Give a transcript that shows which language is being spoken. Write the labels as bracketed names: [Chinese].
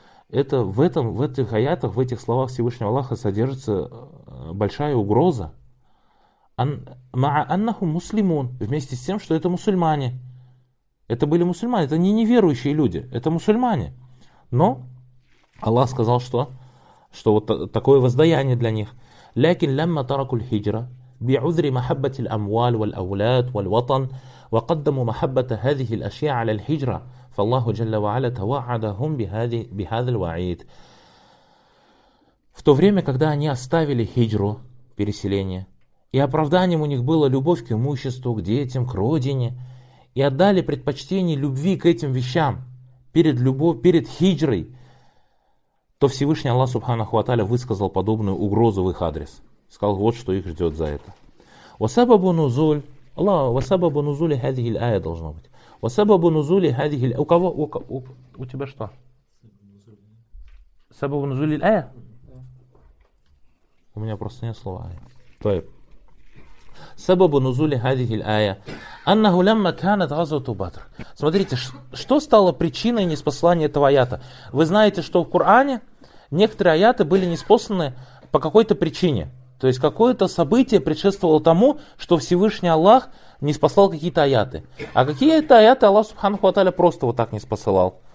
[Russian] Это в этих аятах, в этих словах Всевышнего Аллаха содержится большая угроза. Вместе с тем, что это мусульмане. Это были мусульмане, это не неверующие люди, это мусульмане. Но Аллах сказал, что вот такое воздаяние для них. [Arabic] لكن لما تركوا الهجرة بعذر محبة الأموال والأولاد والوطن وقدموا محبة هذه الأشياء على الهجرة فالله جل وعلا توعدهم بهذا الوعيد. [Russian] В то время, когда они оставили хиджру, переселение, и оправданием у них было любовь к имуществу, к детям, к родине. И отдали предпочтение любви к этим вещам перед хиджрой. То Всевышний Аллах Субханаху ва Тааля высказал подобную угрозу в их адрес. Сказал, вот что их ждет за это. [Arabic] Васабабу нузуль. Аллах, васабабу нузуль хадихи ая [Russian] должно быть. [Arabic] Васабабу нузуль хадихи ая. [Russian] У кого? У тебя что? [Arabic] Сабабу нузуль ая? [Russian] У меня просто нет слова. [Arabic] طيب. سبب نزول هذه الآية أنه لما كانت غزوة بدر. [Russian] Смотрите, что стало причиной неспослания этого аята? Вы знаете, что в Коране некоторые аяты были неспосланы по какой-то причине. То есть какое-то событие предшествовало тому, что Всевышний Аллах неспослал какие-то аяты. А какие это аяты Аллах Субханаху ва Тааля просто вот так неспосылал?